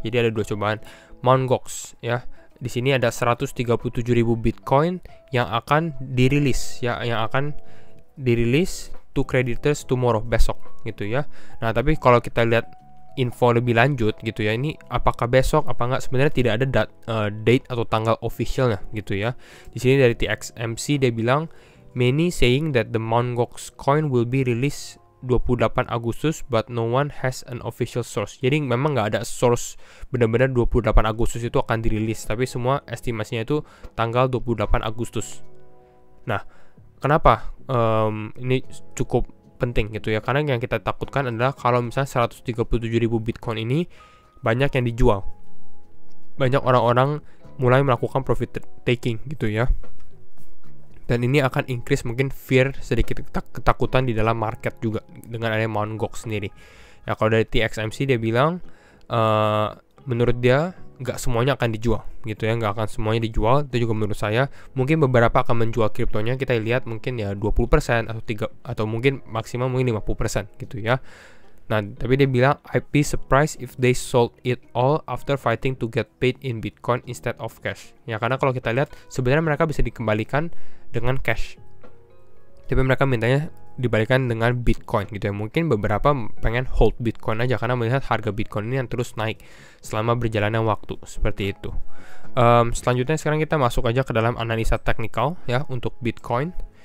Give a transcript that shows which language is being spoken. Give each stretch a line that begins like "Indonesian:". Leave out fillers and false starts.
Indonesian: Jadi ada dua cobaan Mt. Gox, ya. Di sini ada 137.000 Bitcoin yang akan dirilis, ya, yang akan dirilis
English: to creditors tomorrow,
Indonesian: besok gitu ya. Nah, tapi kalau kita lihat info lebih lanjut gitu ya, ini apakah besok apa enggak, sebenarnya tidak ada date atau tanggal officialnya gitu ya. Di sini dari TXMC dia bilang,
English: many saying that the Mt. Gox coin will be released 28 Agustus, but no one has an official source.
Indonesian: Jadi memang enggak ada source benar-benar 28 Agustus itu akan dirilis, tapi semua estimasinya itu tanggal 28 Agustus. Nah, kenapa ini cukup penting gitu ya, karena yang kita takutkan adalah kalau misalnya 137.000 Bitcoin ini banyak yang dijual, banyak orang-orang mulai melakukan profit taking gitu ya, dan ini akan increase mungkin fear, sedikit ketakutan di dalam market juga dengan adanya Mt. Gox sendiri. Ya, kalau dari TXMC dia bilang menurut dia nggak semuanya akan dijual gitu ya, nggak akan semuanya dijual. Itu juga menurut saya, mungkin beberapa akan menjual kriptonya, kita lihat mungkin ya 20% atau 3% atau mungkin maksimal mungkin 50% gitu ya. Nah, tapi dia bilang,
English: I'd be surprised if they sold it all after fighting to get paid in Bitcoin instead of cash.
Indonesian: Ya, karena kalau kita lihat sebenarnya mereka bisa dikembalikan dengan cash, tapi mereka mintanya dibalikan dengan Bitcoin gitu ya. Mungkin beberapa pengen hold Bitcoin aja karena melihat harga Bitcoin ini yang terus naik selama berjalannya waktu, seperti itu. Selanjutnya sekarang kita masuk aja ke dalam analisa teknikal ya untuk Bitcoin.